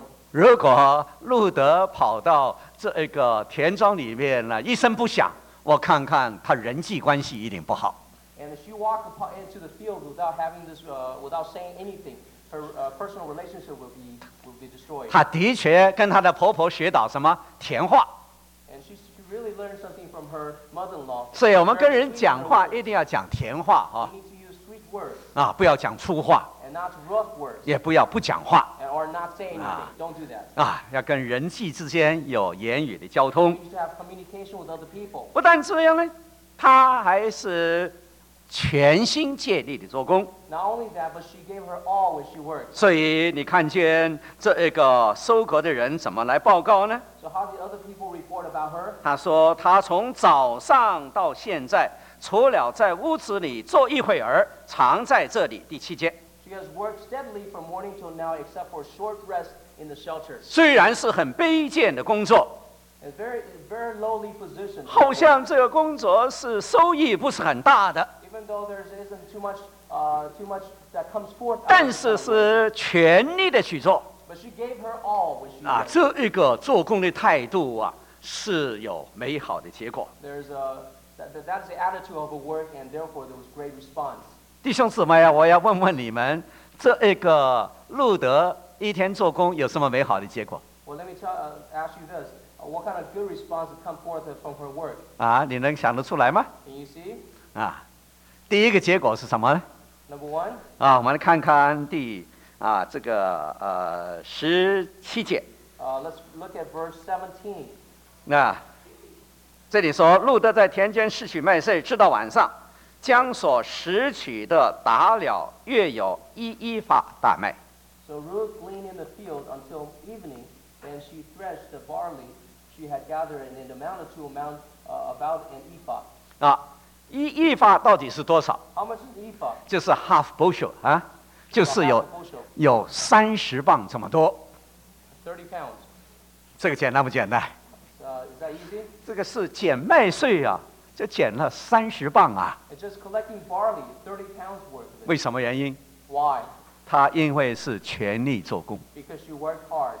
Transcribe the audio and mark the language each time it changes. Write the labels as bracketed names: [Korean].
[Chinese] 如果路德跑到这个田庄里面呢，一声不响，我看看他人际关系一定不好。 [English] And if she walked into the field without having this, without saying anything, her personal relationship will be destroyed. [Chinese] 她的确跟她的婆婆学到什么甜话。 [English] And she really learned something from her mother-in-law. [Chinese] 所以我们跟人讲话一定要讲甜话啊。 [English] We need to use sweet words. [Chinese] 啊，不要讲粗话。 [English] And not rough words. [Chinese] 也不要不讲话。 [English] And or not say anything. Don't do that. [Chinese] 啊，要跟人际之间有言语的交通。 [English] You need to have communication with other people. [Chinese] 不但这样呢，她还是。全心竭力的做工。 [English] Not only that, but she gave her all when she worked. [Chinese] 所以你看见这一个收割的人怎么来报告呢？ [English] So how did other people report about her? [Chinese] 他说他从早上到现在，除了在屋子里坐一会儿，常在这里。第七节。 [English] She has worked steadily from morning till now, except for short rest in the shelter. [Chinese] 虽然是很卑贱的工作。 [English] It's very lowly position. [Chinese] 好像这个工作是收益不是很大的。 [English] Even though there isn't too much that comes forth, [Chinese] 但是是全力的去做。 [English] But she gave her all when she did. [Chinese] 啊，这一个做工的态度啊，是有美好的结果。 [English] There's a that's the attitude of a work, and therefore there was great response. [Chinese] 弟兄姊妹啊，我要问问你们，这一个路德一天做工有什么美好的结果 [English] ？Well, let me ask you this: what kind of good response come forth from her work? [Chinese] 啊，你能想得出来吗 [English] ？Can you see? [Chinese] 啊。第一个结果是什么呢 [English] ？Number one [Chinese] 啊，我们来看看第啊这个十七节。 [English] Let's look at verse 17. [Chinese] 那、这里说，路德在田间拾取麦穗，直到晚上，将所拾取的打了约有一一发大麦。 [English] So Ruth gleaned in the field until evening, and she threshed the barley she had gathered, and it amounted to amount about an ephah. [Chinese] 啊。一一发到底是多少 [English] ？How much is ephah？ [Chinese] 就是 half bushel 啊，就是有三十磅这么多。 [English] 30 pounds。 [Chinese] 这个简单不简单 [English] ？Is that easy？ [Chinese] 这个是捡麦穗啊，就捡了三十磅啊。 [English] It's just collecting barley, 30 pounds worth of it. [Chinese] 为什么原因 [English] ？Why？ [Chinese] 他因为是全力做工。 [English] Because she worked hard.